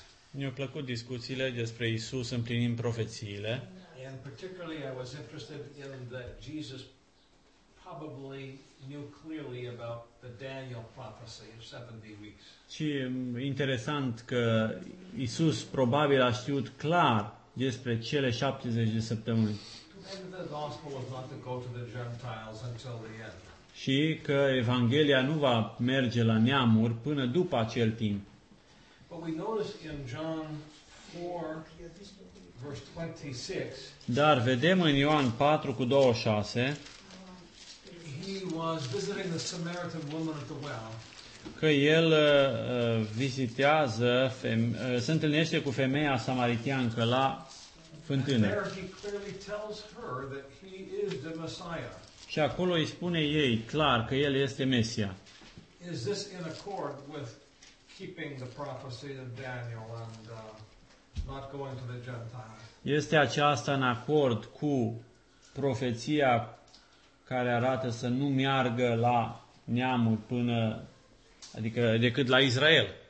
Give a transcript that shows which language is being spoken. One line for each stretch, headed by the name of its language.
Romanian: Mi-a plăcut discuțiile despre Iisus împlinind profețiile.
English: And particularly I was interested in that Jesus probably knew clearly about the Daniel prophecy of 70 weeks.
Romanian: Și interesant că Iisus probabil a știut clar despre cele 70 de săptămâni.
English: And the gospel was not to go to the Gentiles until the end.
Romanian: Și că Evanghelia nu va merge la neamuri până după acel timp.
English: But we notice in John 4, verse 26,
Romanian: dar vedem în Ioan 4 cu 26,
English: he was visiting the Samaritan woman at the well.
Romanian: Că el vizitează, se întâlnește cu femeia samariteancă la fântână.
English: There he clearly tells her that he is the Messiah.
Romanian: Și acolo îi spune ei clar că el este Mesia.
English: Is this in accord with keeping the prophecy of Daniel and not going to the Gentiles?
Romanian: Este aceasta în acord cu profeția care arată să nu meargă la neamul până, adică decât la Israel.